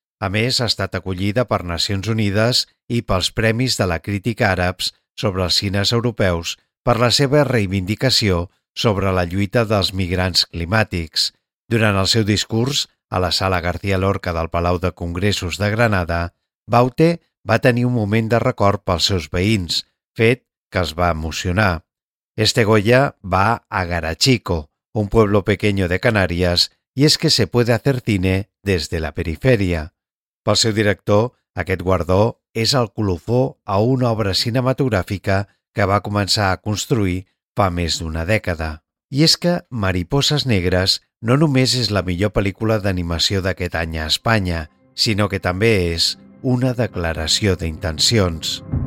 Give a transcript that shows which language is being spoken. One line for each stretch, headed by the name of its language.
Catalan: A més, ha estat acollida per Nacions Unides i pels Premis de la Crítica Àrabs sobre els cines europeus per la seva reivindicació sobre la lluita dels migrants climàtics. Durant el seu discurs, a la Sala García Lorca del Palau de Congressos de Granada, Baute va tenir un moment de record pels seus veïns, fet que els va emocionar.
Spanish: Este Goya va a Garachico, un pueblo pequeño de Canarias, y es que se puede hacer cine desde la periferia.
Catalan: Pel seu director, aquest guardó és el colofó a una obra cinematogràfica que va començar a construir fa més d'una dècada. I és que Mariposas Negres no només és la millor pel·lícula d'animació d'aquest any a Espanya, sinó que també és una declaració d'intencions.